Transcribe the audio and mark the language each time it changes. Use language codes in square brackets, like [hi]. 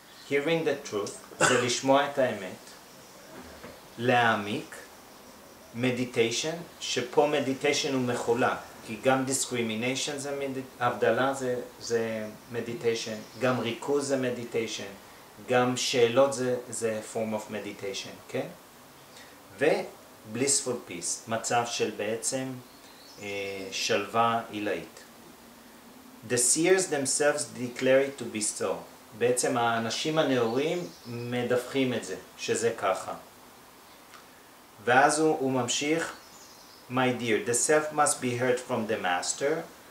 [en] Hearing the truth, [he] זה לשמוע את האמת, להעמיק, meditation, שפה meditation הוא מחולה, כי גם discrimination זה הבדלה זה meditation, גם ריכוז זה meditation, גם שאלות זה [en] form of meditation, [he] כן? ו- [en] blissful peace, [he] מצב של בעצם שלווה עילאית. [en] The seers themselves declare it to be so. [he] בעצם האנשים הנאורים מדווחים את זה, שזה ככה. ואז הוא ממשיך, [en] My dear, the self must be heard from the master.